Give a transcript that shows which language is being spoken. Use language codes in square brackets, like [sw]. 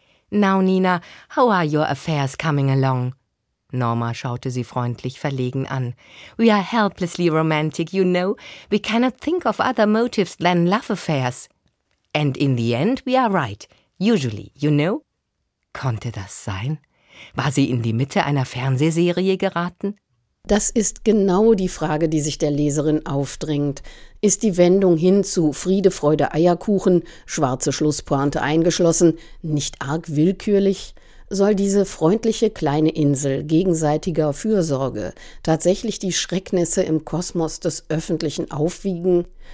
[en] Now, Nina, how are your affairs coming along? [de] Norma schaute sie freundlich verlegen an. [en] We are helplessly romantic, you know. We cannot think of other motives than love affairs. And in the end we are right, usually, you know? [de] Konnte das sein? War sie in die Mitte einer Fernsehserie geraten? Das ist genau die Frage, die sich der Leserin aufdrängt. Ist die Wendung hin zu Friede, Freude, Eierkuchen, schwarze Schlusspointe eingeschlossen, nicht arg willkürlich? Soll diese freundliche kleine Insel gegenseitiger Fürsorge tatsächlich die Schrecknisse im Kosmos des Öffentlichen aufwiegen?